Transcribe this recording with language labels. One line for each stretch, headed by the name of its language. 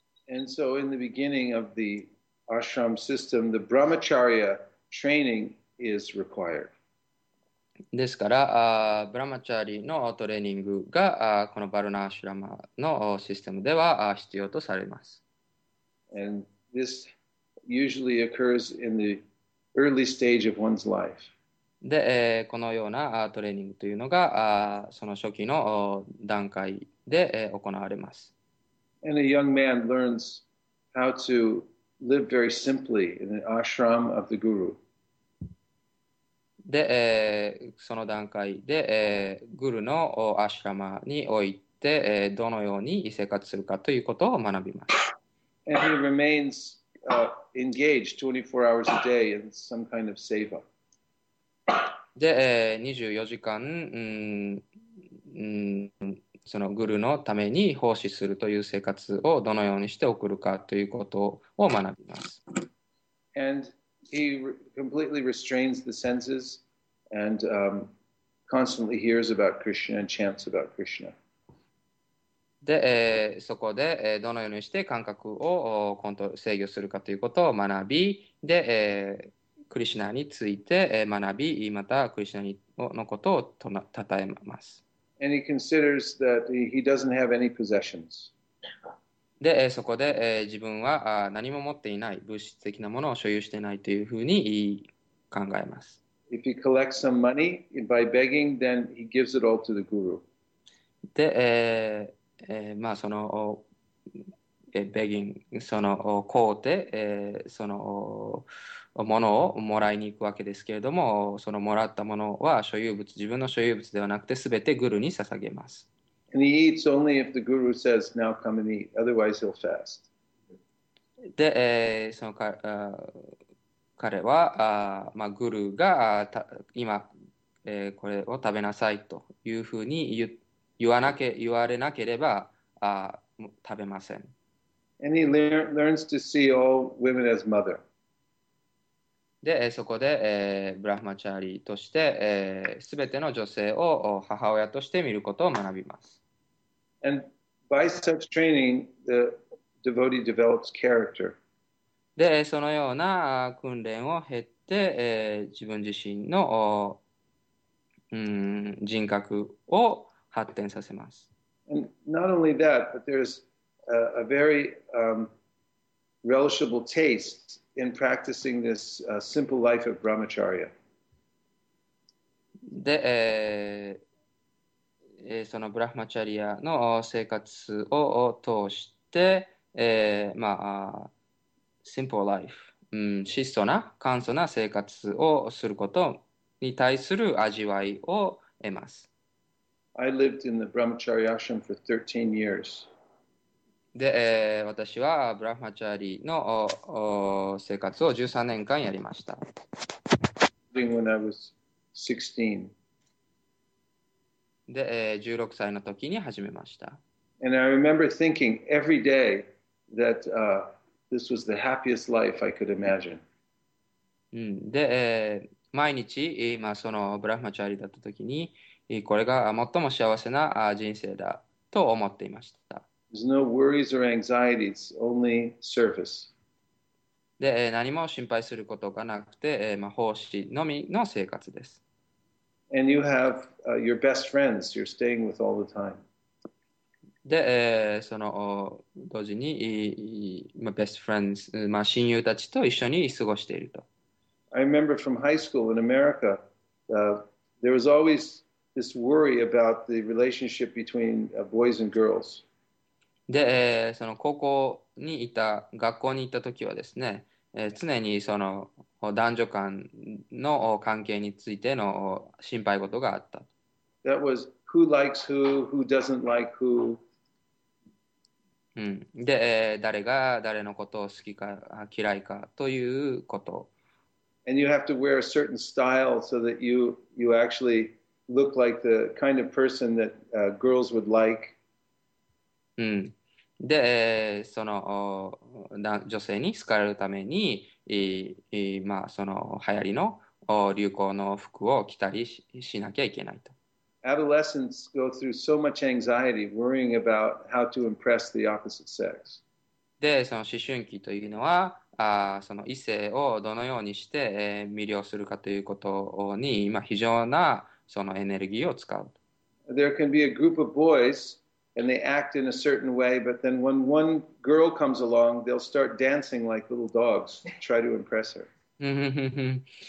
English: And so in the beginning of the ashram system, the brahmacharya training is required.
Japanese: ですから、ブラマチャリのトレーニングが、このバルナーシュラマのシステムでは必要とされます。
English: And this usually occurs in the early stage of one's life.
Japanese: で、このようなトレーニングというのが、その初期の段階で行われます。
English: And a young man learns how to live very simply in the ashram of the guru.
Japanese: で、その段階で、グルのアシュラマにおいて、どのように生活するかということを学びます。
English: And he remains engaged 24 hours a day in some kind of seva.
Japanese: で、24時間、そのグルのために奉仕するという生活をどのようにして送るかということを学びます。
English: And he completely restrains the senses and constantly hears about Krishna and chants about Krishna.
Japanese: で、そこで、どのようにして感覚をコントロール制御するかということを学び、で、クリシナについて学び、またクリシナのことをたたえます。
English: And he considers that he doesn't have any possessions.
Japanese: で、そこで自分は何も持っていない、物質的なものを所有していないというふうに考えます。
English: If he collects some money by begging, then he gives it all to the guru.
Japanese: で、その、
English: begging、
Japanese: その、買うて、その、ものをもらいに行くわけですけれども、そのもらったものは所有物、自分の所有物ではなくて、すべてグルに捧げます。
English: And he eats only if the guru says, "Now come and eat," otherwise he'll fast.
Japanese: で、そのか、彼は、グルが今、これを食べなさいというふうに言われなければ、食べません。
English: And he learns to see all women as mother.
Japanese: で、そこで、ブラフマチャーリーとして、すべての女性を母親として見ることを学びます。
English: And by such training, the devotee develops character.
Japanese: で、そのような訓練を経て、自分自身の、人格を発展させます。
English: And not only that, but there's a very relishable taste in practicing this simple life of brahmacharya.
Japanese: で、そのブラフマチャリアの生活を通して、
English: simple life、
Japanese: 質素な、簡素な生活をすることに対する味わいを得ます。
English: I lived in the brahmacharya ashram for 13 years.
Japanese: で、私はブラフマチャリの生活を13年間やりました。
English: Living when I was 16.
Japanese: で、16歳の時に始めました。
English: And I remember thinking every day that this was the happiest life I could imagine.
Japanese: で、毎日、そのブラフマチャリだった時に、これが最も幸せな人生だと思っていました。
English: There's no worries or anxieties, only service.
Japanese: で、何も心配することがなくて、奉仕のみの生活です。
English: And you have your best friends you're staying with all the time.
Japanese: で、その同時に、
English: best friends、
Japanese: 親友たちと一緒に過ごしていると。
English: I remember from high school in America, there was always this worry about the relationship between boys and girls.
Japanese: で、その高校にいた、学校に行った時はですね、常にその男女間の関係についての心配事があった。
English: That was who likes who, who doesn't like who.
Japanese: で、誰が誰のことを好きか嫌いかということ。
English: And you have to wear a certain style so that you actually look like the kind of person that girls would like.
Japanese: で、その女性に好かれるために、まあ、その流行りの流行の服を着たりしなきゃいけないと。
English: Adolescents go through so much anxiety worrying about how to impress the opposite sex.
Japanese: で、その思春期というのは、その異性をどのようにして、魅了するかということに、今、非常なそのエネルギーを使う。
English: There can be a group of boys and they act in a certain way, but then when one girl comes along, they'll start dancing like little dogs to try to impress her.